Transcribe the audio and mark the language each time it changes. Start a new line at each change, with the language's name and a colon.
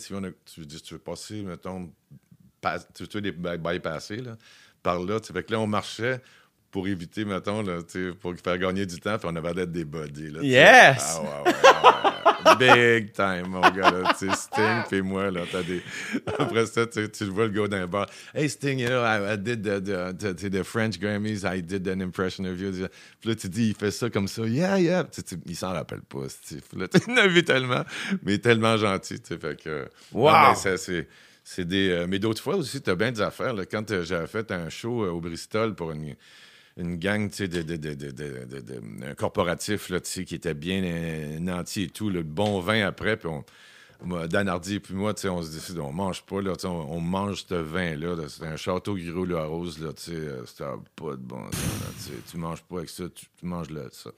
French: Si on a, tu dis, tu veux passer, mettons, tu veux les bypasser, là, par là. Fait que là, on marchait pour éviter, mettons, là, pour faire gagner du temps. Puis on avait l'air des buddies. Là,
English: yes!
French: Ah, ouais. Big time, mon gars. Là, Sting, puis moi, là, t'as des. Après ça, tu le vois, le gars d'un bar.
English: Hey, Sting, you know, I did the French Grammys. I did an impression of you.
French: Puis là, tu dis, il fait ça comme ça. Yeah, yeah. T'sais, il s'en rappelle pas, Steve. Là, tu l'as vu tellement, mais tellement gentil. T'sais, fait que. Wow! Non, ça, c'est. C'est des. Mais d'autres fois aussi, t'as bien des affaires. Là. Quand j'avais fait un show au Bristol pour une gang, tu sais, de un corporatif, là, tu sais, qui était bien nanti et tout, le bon vin après, puis Dan Hardy et puis moi, tu sais, on se décide, on mange pas, là, tu sais, on mange ce vin-là, là, c'est un château Gruau-Larose, là, tu sais, c'était pas de bon sens, là, tu sais, tu manges pas avec ça, tu manges là, ça.